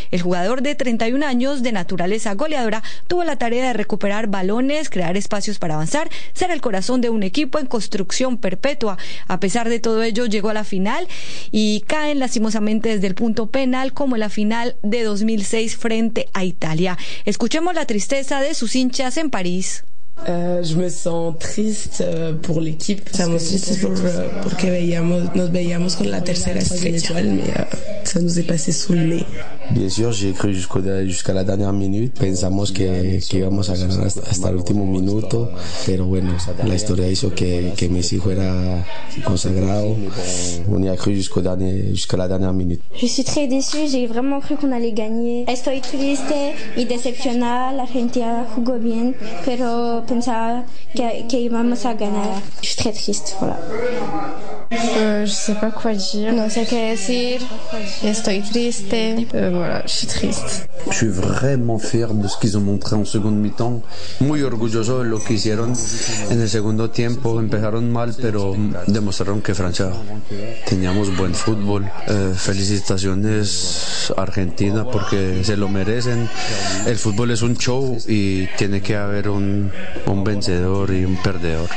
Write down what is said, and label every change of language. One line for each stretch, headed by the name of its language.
Spanish: El jugador de 31 años, de naturaleza goleadora, tuvo la tarea de recuperar balones, crear espacios para avanzar, ser el corazón de un equipo en construcción perpetua. A pesar de todo ello, llegó a la final y caen lastimosamente desde el punto penal como en la final de 2006 frente a Italia. Escuchemos la tristeza de sus hinchas en París.
French: Je me sens triste pour l'équipe.
Spanish: Estamos tristes porque nos veíamos con la tercera estrella.
French: Ça nous est passé sous le nez. Bien sûr, j'ai cru jusqu'à la dernière minute.
Spanish: Pensamos que íbamos a ganar hasta el último minuto, pero bueno, la historia hizo que Messi fuera consagrado.
French: On y a cru jusqu'à la dernière minute. Je suis très déçu. J'ai vraiment cru qu'on allait gagner.
Spanish: Estoy triste y decepcionada. La gente jugó bien, pero pensaba que íbamos a ganar.
French: Je suis très triste. Voilà. Je sais pas quoi dire.
Spanish: No sé qué decir. Estoy triste.
French: Voilà, je suis triste. Je suis vraiment fier de ce qu'ils ont montré en seconde mi-temps.
Spanish: Muy orgulloso de lo que hicieron en el segundo tiempo. Empezaron mal, pero demostraron que Francia teníamos buen fútbol. Felicitaciones Argentina porque se lo merecen. El fútbol es un show y tiene que haber un vencedor y un perdedor.